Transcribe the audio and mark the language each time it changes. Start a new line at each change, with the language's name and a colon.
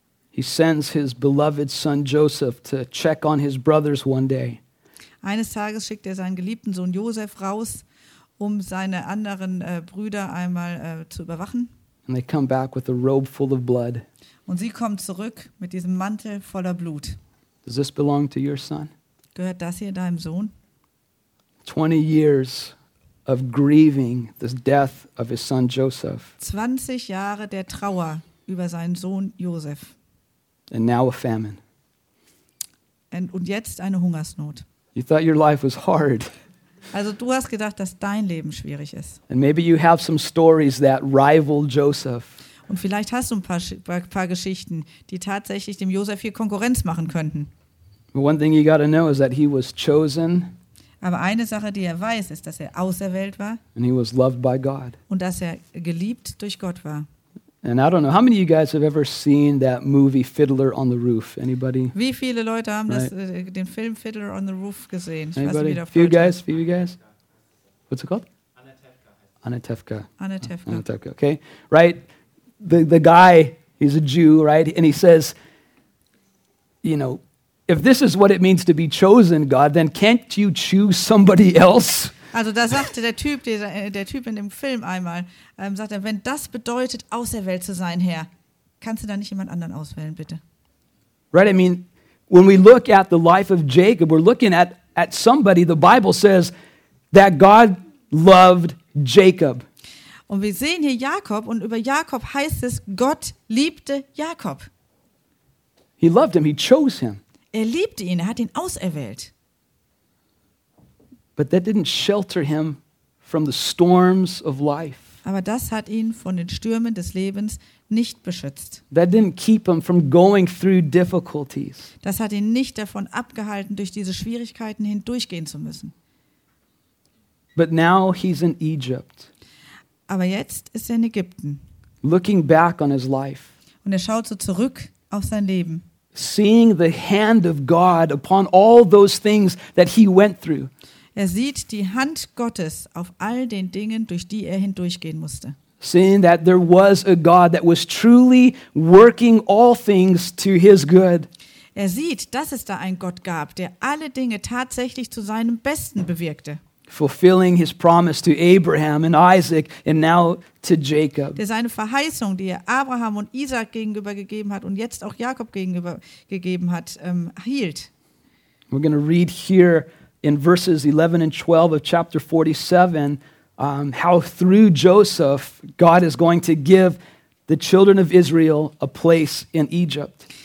English: He sends his beloved son Joseph to check on his brothers one day.
German: Eines Tages schickt er seinen geliebten Sohn Josef raus, um seine anderen Brüder einmal zu überwachen.
English: And they come back with a robe full of blood.
German: Und sie kommen zurück mit diesem Mantel voller Blut.
English: Does this belong to your son?
German: Gehört das hier deinem Sohn?
English: 20 years of grieving the death of his son Joseph.
German: 20 Jahre der Trauer über seinen Sohn Josef.
English: And now a famine.
German: Und jetzt eine Hungersnot.
English: You thought your life was hard.
German: Also du hast gedacht, dass dein Leben schwierig ist.
English: And maybe you have some stories that rival Joseph.
German: Und vielleicht hast du ein paar Geschichten, die tatsächlich dem Josef hier Konkurrenz machen könnten.
English: But one thing you got to know is that he was chosen.
German: Aber eine Sache, die er weiß, ist, dass er auserwählt war.
English: And he was loved by God.
German: Und dass er geliebt durch Gott war.
English: And I don't know how many of you guys have ever seen that movie Fiddler on the Roof. Anybody?
German: Wie viele Leute haben right? Den Film Fiddler on the Roof gesehen?
English: Anybody? Few guys. What's it called? Anatevka.
German: Anatevka.
English: Okay. Right. The guy, he's a Jew, right? And he says, you know, if this is what it means to be chosen, God, then can't you choose somebody else?
German: Also da sagte der Typ in dem Film einmal, sagt er, wenn das bedeutet, auserwählt zu sein, Herr, kannst du da nicht jemand anderen auswählen, bitte?
English: Right, I mean, when we look at the life of Jacob, we're looking at somebody, the Bible says that God loved Jacob.
German: Und wir sehen hier Jakob und über Jakob heißt es, Gott liebte Jakob.
English: He loved him, he chose him.
German: Er liebte ihn, er hat ihn auserwählt.
English: But that didn't shelter him from the storms of life.
German: Aber das hat ihn von den Stürmen des Lebens nicht beschützt.
English: That didn't keep him from going through difficulties.
German: Das hat ihn nicht davon abgehalten, durch diese Schwierigkeiten hindurchgehen zu müssen.
English: But now he's in Egypt.
German: Aber jetzt ist er in Ägypten.
English: Looking back on his life.
German: Und er schaut so zurück auf sein Leben.
English: Seeing the hand of God upon all those things that he went through.
German: Er sieht die Hand Gottes auf all den Dingen, durch die er hindurchgehen musste.
English: Seeing that there was a God that was truly working all things to his good.
German: Er sieht, dass es da einen Gott gab, der alle Dinge tatsächlich zu seinem Besten bewirkte.
English: Fulfilling his promise to Abraham and Isaac and now to Jacob.
German: Der seine Verheißung, die er Abraham und Isaac gegenüber gegeben hat und jetzt auch Jakob gegenüber gegeben hat, hielt.
English: We're going to read here in verses 11 and 12 of chapter 47, how through Joseph, God is going to give the children of Israel a place in Egypt.